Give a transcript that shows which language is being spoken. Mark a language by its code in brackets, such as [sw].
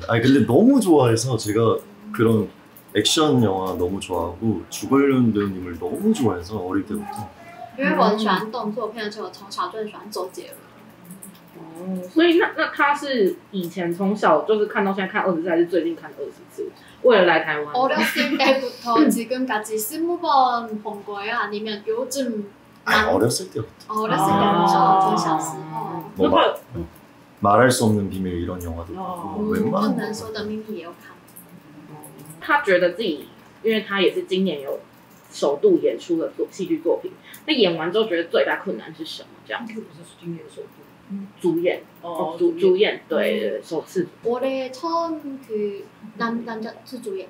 [ko] 아니, 근데 너무 좋아해서 제가 그런 액션 영화 너무 좋아하고, 주걸륜 배우님을 너무 좋아해서 어릴 때부터. [zh] 因为我很喜欢动作片，而且我从小就很喜欢周杰伦。所以那他是以前从小就是看到现在看二十次，还是最近看二十次？为了来台湾。 [ko] 어렸을 때부터 지금까지 20번 본 거예요? 아니면 요즘 아니, 어렸을 때부터. 어렸을 때부터, [zh] 从小时候。 [ko] 뭐 말할 수 없는 비밀 이런 영화도 봤고, 웬만한 [zh] 不能说的秘密也有看。他觉得自己，因为他也是今年有首度演出的戏剧作品，那演完之后觉得最大困难是什么？这样子。今年首度。主演哦，主演对、嗯、首次。我的처음그남자是主演，